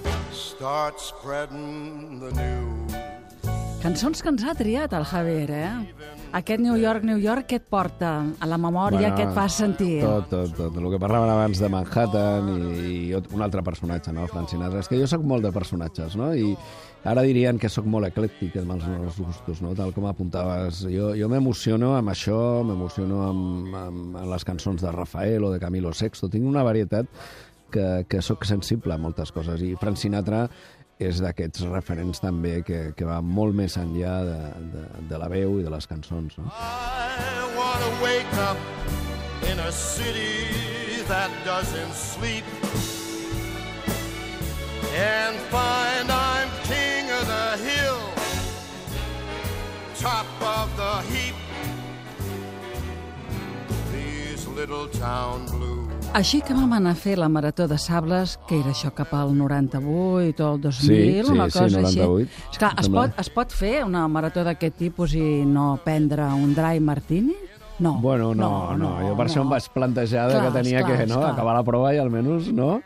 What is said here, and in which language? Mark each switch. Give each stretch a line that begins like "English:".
English: Start spreading the news.
Catalan: Cançons que ens ha triat el Javier, eh? Aquest New York, New York, què et porta a la memòria, bueno, què et fa sentir? Tot. El que parlàvem abans de Manhattan i un altre personatge, no? Frank Sinatra. És que jo soc molt de personatges, no? I ara dirien que soc molt eclèctic amb els meus gustos, no? Tal com apuntaves. Jo m'emociono amb això, m'emociono amb les cançons de Rafael o de Camilo Sexto. Tinc una varietat que sóc sensible a moltes coses. I Frank Sinatra és d'aquests referents també que va molt més enllà de la veu i de les cançons. No?
English: I wanna wake up in a city that doesn't sleep and find I'm king of the hill, top of the heap, these little town blues.
Catalan: Així que vam anar a fer la Marató de Sables, que era això cap al 98 o el 2000, sí, una cosa sí, 98, així. Esclar, es pot fer una marató d'aquest tipus i no prendre un dry martini? No. Bueno, no. Jo per això em vaig plantejar que tenia que acabar la prova i almenys, no?